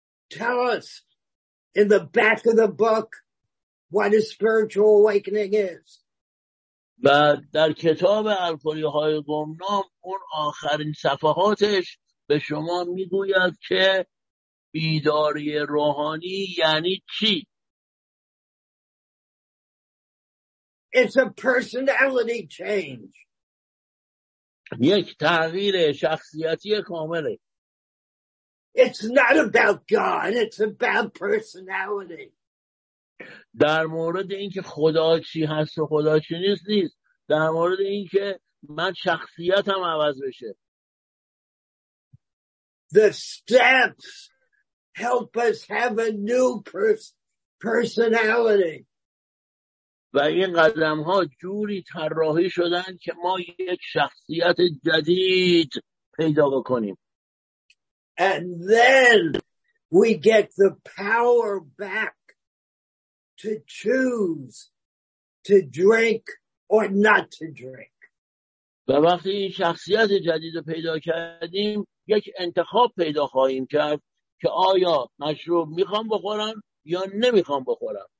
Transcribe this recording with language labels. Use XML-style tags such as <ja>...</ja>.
<en>Tell us in the back of the book what a spiritual awakening is.</en> <fa>و در کتاب الکلی های گمنام اون آخرین صفحاتش به شما میگوید که بیداری روحانی یعنی چی.</fa> <en>It's a personality change.</en> <fa>یک تغییر شخصیتی کامله.</fa> <en>It's not about God, it's about personality.</en> <fa>در مورد اینکه خدا چی هست و خدا چی نیست نیست، در مورد اینکه من شخصیتم عوض بشه.</fa> <en>The steps help us have a new personality.</en> <fa>و این قدم ها جوری طراحی شدن که ما یک شخصیت جدید پیدا بکنیم.</fa> <en>And then we get the power back to choose to drink or not to drink.</en> <fa>و وقتی این شخصیت جدید رو پیدا کردیم یک انتخاب پیدا خواهیم کرد که آیا مشروب میخوام بخورم یا نمیخوام بخورم.</fa>